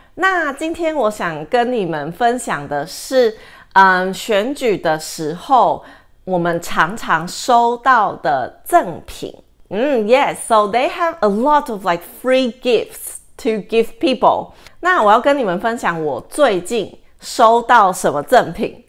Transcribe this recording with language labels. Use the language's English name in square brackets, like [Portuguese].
[Chinese] 那今天我想跟你们分享的是选举的时候我们常常收到的赠品。 [English] Yes, so they have a lot of like free gifts to give people. [Chinese] 那我要跟你们分享我最近收到什么赠品。